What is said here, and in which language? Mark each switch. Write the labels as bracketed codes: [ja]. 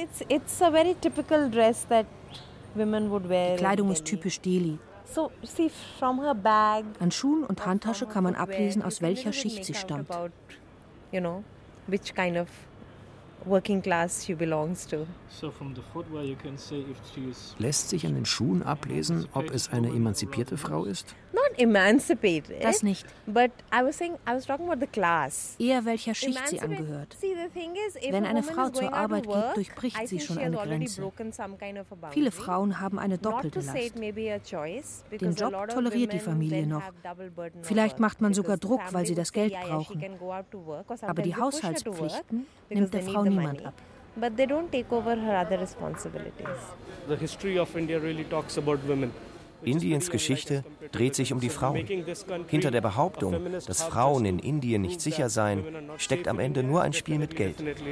[en] It's a very typical dress that women would wear. [de] Die Kleidung ist typisch Delhi. [en] So, see, from her bag, [de] an Schuhen und Handtasche kann man ablesen, aus welcher Schicht sie stammt. [en] About, you know, which kind of working class she belongs to. So from the footwear you can say if she's. [de] Lässt sich an den Schuhen ablesen, ob es eine emanzipierte Frau ist? [en] Not emancipated. [de] Das nicht. [en] But I was talking about the class. [de] Eher welcher Schicht sie angehört. [en] See, the thing is, if [de] wenn eine Frau [en] is going [de] zur Arbeit [en] work, [de] geht, durchbricht sie schon eine Grenze. [en] Kind of [de] viele Frauen haben eine doppelte Last. Den Job toleriert die Familie noch. Vielleicht macht man sogar Druck, weil sie das Geld brauchen. Aber die Haushaltspflichten nimmt der Frau niemand ab. [en] But they don't take over her other responsibilities. The history of India really talks about women. [de] Indiens Geschichte dreht sich um die Frauen. Hinter der Behauptung, dass Frauen in Indien nicht sicher seien, steckt am Ende nur ein Spiel mit Geld.